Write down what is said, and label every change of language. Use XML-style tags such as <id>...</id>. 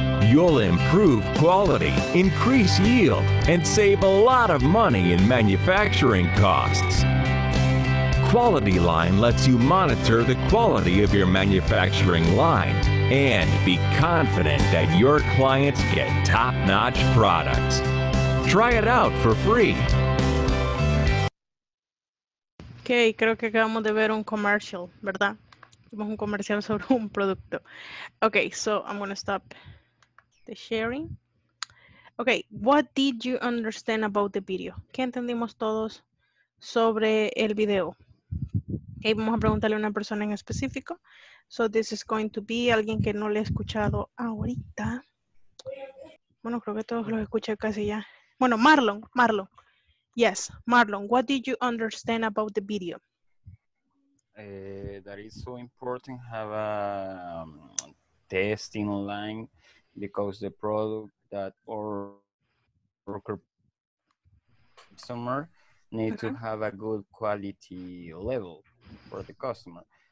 <en>You'll improve quality, increase yield, and save a lot of money in manufacturing costs. QualityLine lets you monitor the quality of your manufacturing line and be confident that your clients get top-notch products. Try it out for free.</en> <es>Okay, creo que acabamos de ver un commercial, ¿verdad? Vimos un comercial sobre un producto.</es> <en>Okay, so I'm going to stop the sharing. Okay, what did you understand about the video?</en> <es>¿Qué entendimos todos sobre el video? Okay, vamos a preguntarle a una persona en específico.</es> <en>So this is going to be</en> <es>alguien que no le he escuchado ahorita. Bueno, creo que todos los escuché casi ya. Bueno, Marlon, Marlon.</es> <en>Yes, Marlon, what did you understand about the video? That is so important, have a testing line, because the product that our worker customer need to have a good quality level for the customer.</en>